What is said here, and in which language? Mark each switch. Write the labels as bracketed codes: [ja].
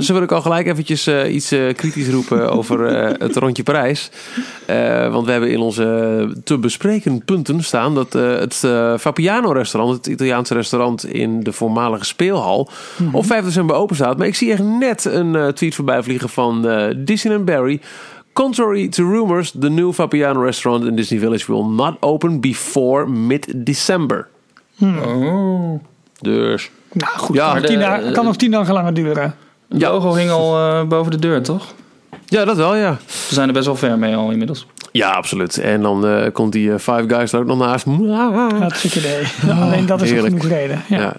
[nl] Zo wil ik al gelijk eventjes iets kritisch roepen over het rondje prijs. Want we hebben in onze te bespreken punten staan dat het Fappiano restaurant, het Italiaanse restaurant in de voormalige speelhal, mm-hmm, op 5 december open staat. Maar ik zie echt net een tweet voorbij vliegen van Disney en Barry. [en] Contrary to rumors, the new Fappiano restaurant in Disney Village will not open before mid-December. Oh. [nl] Dus. Nou goed, ja, kan nog 10 dagen langer duren. De logo hing al boven de deur, toch? Ja, dat wel, ja. We zijn er best wel ver mee al inmiddels. Ja, absoluut. En dan komt die Five Guys er ook nog naast. Dat is een idee. Alleen dat is genoeg reden. Ja. Ja,